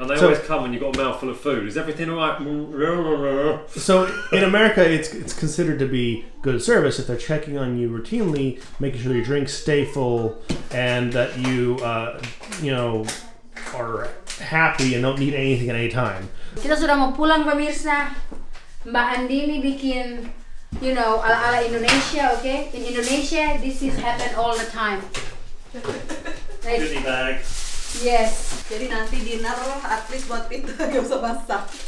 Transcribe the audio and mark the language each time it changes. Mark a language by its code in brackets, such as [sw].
[en] And they always come when you've got a mouthful of food. Is everything alright? So in America, it's considered to be good service if they're checking on you routinely, making sure your drinks stay full, and that you are happy and don't need anything at any time. [id] Kita sudah mau pulang, pemirsa. Mbak Andini bikin, [en] you know, [id] ala Indonesia, okay? [en] In Indonesia, this is happen all the time. Goodie bag. Yes. [id] Jadi nanti [en] dinner at least [id] buat Pita gak usah basah.